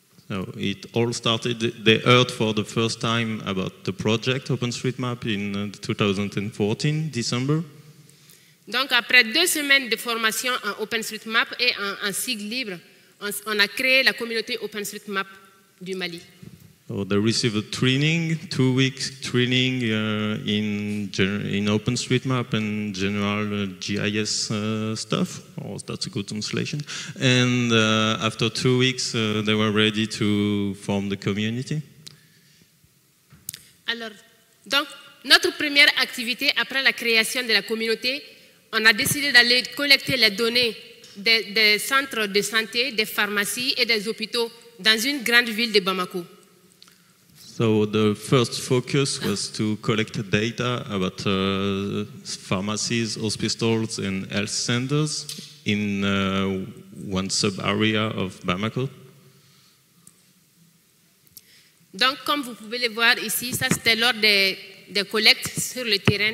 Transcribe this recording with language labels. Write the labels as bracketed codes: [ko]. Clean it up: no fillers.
[en] So it all started, they heard for the first time about the project OpenStreetMap in 2014, December. [fr] Donc après deux semaines de formation en OpenStreetMap et en sigle libre, on a créé la communauté OpenStreetMap du Mali. [en] So they received a training, 2 weeks training in OpenStreetMap and general GIS stuff. Oh, that's a good translation. And after 2 weeks, they were ready to form the community. [fr] Alors, donc, notre première activité après la création de la communauté, on a décidé d'aller collecter les données des centres de santé, des pharmacies et des hôpitaux dans une grande ville de Bamako. [en] So the first focus was to collect data about pharmacies, hospitals, and health centers in one sub-area of Bamako. [fr] Donc, comme vous pouvez le voir ici, ça c'était lors des collectes sur le terrain.